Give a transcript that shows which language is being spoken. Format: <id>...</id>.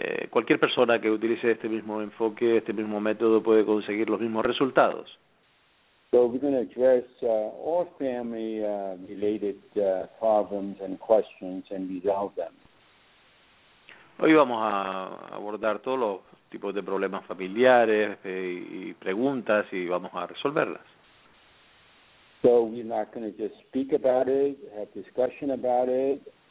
<es>Cualquier persona que utilice este mismo enfoque, este mismo método, puede conseguir los mismos resultados.</es> <en>So we're going to address all family-related problems and questions and resolve them.</en> <es>Hoy vamos a abordar todos los tipos de problemas familiares y preguntas y vamos a resolverlas.</es> <en>So we're not going to just speak about it, have discussion about it.</en>